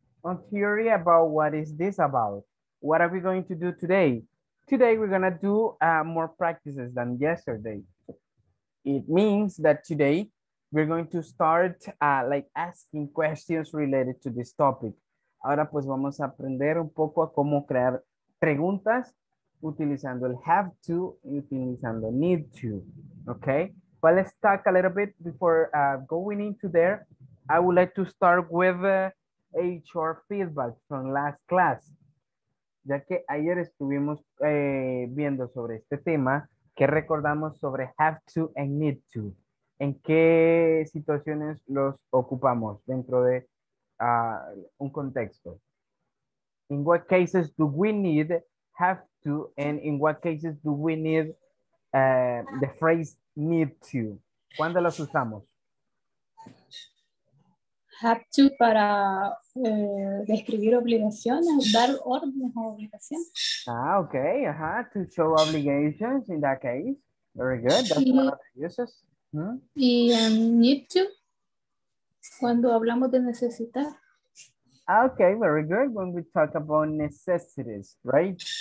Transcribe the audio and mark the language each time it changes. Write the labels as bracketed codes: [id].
[en] On theory about what is this about? What are we going to do today? Today we're gonna do more practices than yesterday. It means that today we're going to start like asking questions related to this topic. [es] Ahora pues vamos a aprender un poco a cómo crear preguntas utilizando el have to y utilizando need to, okay? [en] But let's talk a little bit before going into there. I would like to start with HR feedback from last class, [es] ya que ayer estuvimos viendo sobre este tema, que recordamos sobre have to and need to, en qué situaciones los ocupamos dentro de un contexto. [en] In what cases do we need have to, and in what cases do we need the phrase need to? [es] ¿Cuándo los usamos? Have to para describir obligaciones, dar órdenes o obligaciones. [en] Ah, ok, ajá, to show obligations in that case. Very good, that's one of the uses. [es] Y need to, cuando hablamos de necesitar. [en] Ah, ok, very good, when we talk about necessities, right?